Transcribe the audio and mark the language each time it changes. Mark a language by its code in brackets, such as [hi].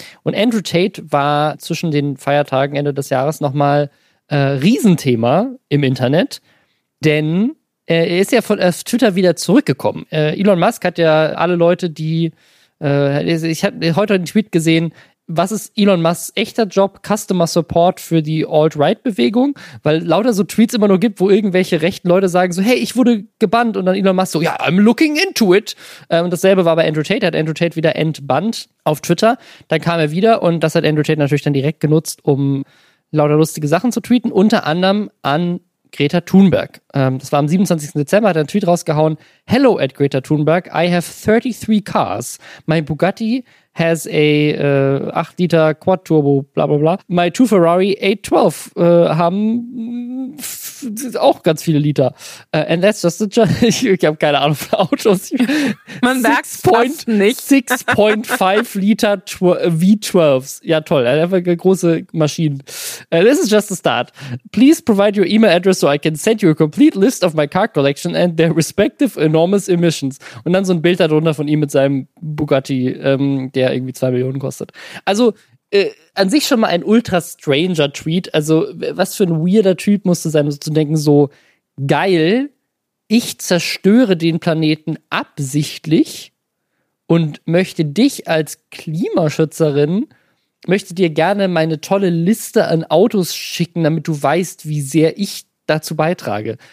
[de] Und Andrew Tate war zwischen den Feiertagen Ende des Jahres nochmal Riesenthema im Internet, denn er ist ja von Twitter wieder zurückgekommen. Elon Musk hat ja alle Leute, die, ich habe heute einen Tweet gesehen, was ist Elon Musks echter Job? Customer Support für die Alt-Right-Bewegung? Weil lauter so Tweets immer nur gibt, wo irgendwelche rechten Leute sagen so, hey, ich wurde gebannt. Und dann Elon Musk so, ja, [en] I'm looking into it. [de] Und dasselbe war bei Andrew Tate. Hat Andrew Tate wieder entbannt auf Twitter. Dann kam er wieder und das hat Andrew Tate natürlich dann direkt genutzt, um lauter lustige Sachen zu tweeten. Unter anderem an Greta Thunberg. Das war am 27. Dezember, hat er einen Tweet rausgehauen. [en] Hello at Greta Thunberg, I have 33 cars. My Bugatti has a 8-Liter Quad-Turbo, bla bla bla. My two Ferrari 812 [de] haben auch ganz viele Liter. [en] And that's just a joke. [de] Ich habe keine Ahnung für Autos. Man merkt es fast nicht. 6,5 Liter V12s. Ja, toll. Einfach große Maschinen. [en] This is just the start. Please provide your email address so I can send you a complete list of my car collection and their respective enormous emissions. [de] Und dann so ein Bild darunter von ihm mit seinem Bugatti, der irgendwie 2 Millionen kostet. Also an sich schon mal ein ultra stranger Tweet. Also was für ein weirder Typ musste sein, so zu denken, so geil, ich zerstöre den Planeten absichtlich und möchte dich als Klimaschützerin, möchte dir gerne meine tolle Liste an Autos schicken, damit du weißt, wie sehr ich dazu beitrage.